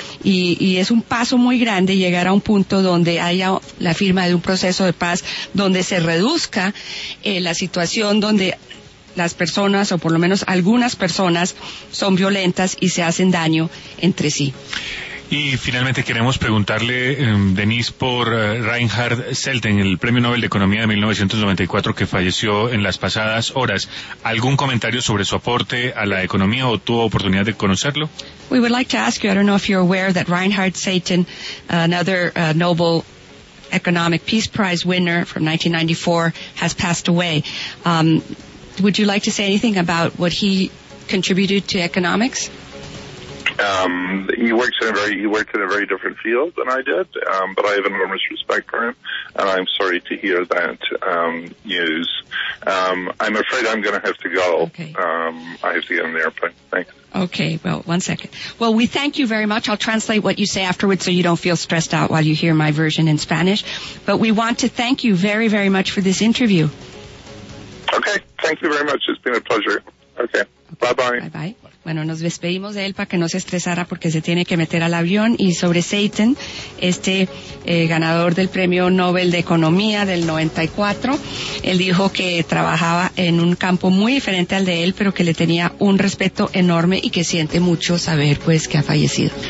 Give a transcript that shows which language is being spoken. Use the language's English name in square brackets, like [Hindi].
[Spanish] Y es un paso muy grande llegar a un punto donde haya la firma de un proceso de paz, donde se reduzca la situación donde las personas, o por lo menos algunas personas, son violentas y se hacen daño entre sí. Y finalmente queremos preguntarle, Denise, por Reinhard Selten, el premio Nobel de Economía de 1994, que falleció en las pasadas horas. ¿Algún comentario sobre su aporte a la economía o tuvo oportunidad de conocerlo? [English] We would like to ask you, I don't know if you're aware, that Reinhard Selten, another Nobel Economic Peace Prize winner from 1994, has passed away. Would you like to say anything about what he contributed to economics? He worked in a very different field than I did, but I have enormous respect for him, and I'm sorry to hear that news. I'm afraid I'm going to have to go. Okay. I have to get on the airplane. Thanks. Okay, well, one second. Well, we thank you very much. I'll translate what you say afterwards so you don't feel stressed out while you hear my version in Spanish. But we want to thank you very, very much for this interview. Okay, thank you very much. It's been a pleasure. Okay, okay. Bye-bye. Bye-bye. [Spanish] Bueno, nos despedimos de él para que no se estresara porque se tiene que meter al avión. Y sobre Satan, este ganador del Premio Nobel de Economía del 94, él dijo que trabajaba en un campo muy diferente al de él, pero que le tenía un respeto enorme y que siente mucho saber pues que ha fallecido.